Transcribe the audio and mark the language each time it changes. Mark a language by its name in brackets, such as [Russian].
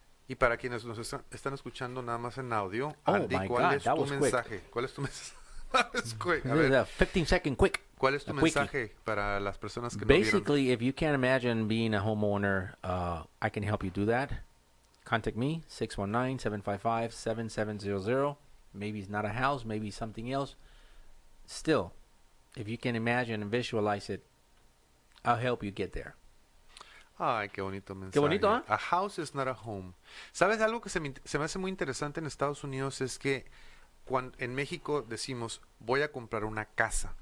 [Spanish] Y para quienes nos están escuchando nada más en audio, Andy, ¿cuál es tu mensaje? A ver. [English] 15-second quick. [Spanish] ¿Cuál es tu mensaje para las personas que [English] basically, if you can't imagine being a homeowner, I can help you do that. Contact me, 619-755-7700. Maybe it's not a house, maybe something else. Still, if you can imagine and visualize it, I'll help you get there. [Spanish] Ay, qué bonito mensaje. Qué bonito, ¿eh? [English] A house is not a home. [Spanish] ¿Sabes algo que se me hace muy interesante en Estados Unidos? Es que cuando, en México decimos, voy a comprar una casa.